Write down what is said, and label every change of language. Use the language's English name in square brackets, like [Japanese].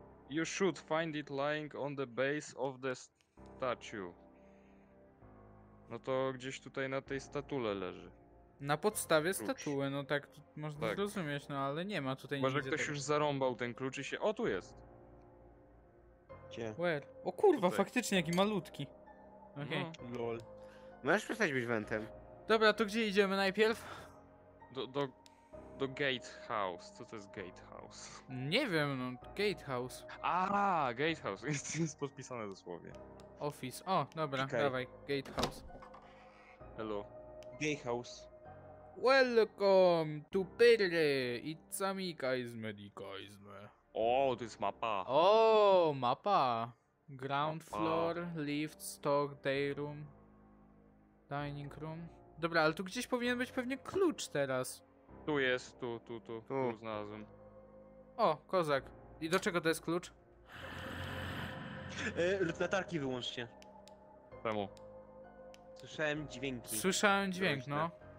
[English] You should find it lying on the base of the statue. [Polish] No to gdzieś tutaj na tej statule leży. Na podstawie statuły, no tak można tak zrozumieć, no ale nie ma tutaj nic. Może ktoś już zarąbał ten klucz i się... O, tu jest! Gdzie? [English] Where? [Polish] O kurwa, tutaj. Faktycznie jaki malutki. Okej. Okay. No, lol. Możesz przestać być wentem. Dobra, to gdzie idziemy najpierw? Do gatehouse. Co to jest gatehouse? Nie wiem, no gatehouse. Aaa, gatehouse. Jest podpisane dosłownie. Office. O, dobra, okay. Dawaj, gatehouse. [English] Hello. Gatehouse. Welcome to Pyrry. It's a me, guys, medi, guys, me. [Polish] O, to jest mapa. O, mapa. Ground mapa. [English] Floor, lift, stock, day room, dining room. [Polish] Dobra, ale tu gdzieś powinien być pewnie klucz teraz. Tu jest, tu znalazłem. O, kozak. I do czego to jest klucz? Latarki wyłączcie. Czemu? Słyszałem dźwięki. Słyszałem dźwięk, no.